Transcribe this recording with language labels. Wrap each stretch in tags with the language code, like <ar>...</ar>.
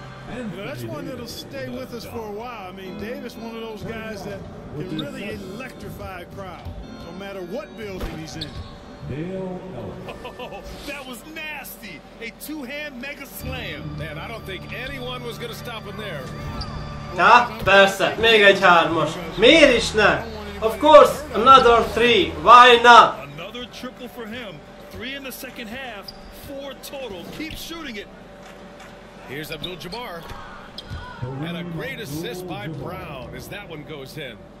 <en>Yeah, that's one that'll stay with us for a while. I mean, Davis, one of those guys that can really electrify a crowd, no matter what building he's in. That was nasty! A two-hand mega slam! Man, I don't think anyone was gonna stop him there.</en> <hu>Ja, persze, még egy hármas. Miért is ne?</hu> <en>Of course, another three. Why not? Another triple for him. Three in the second half, four total. Keep shooting it. Here's Abdul-Jabbar. And a great assist by Brown as that one goes in.</en>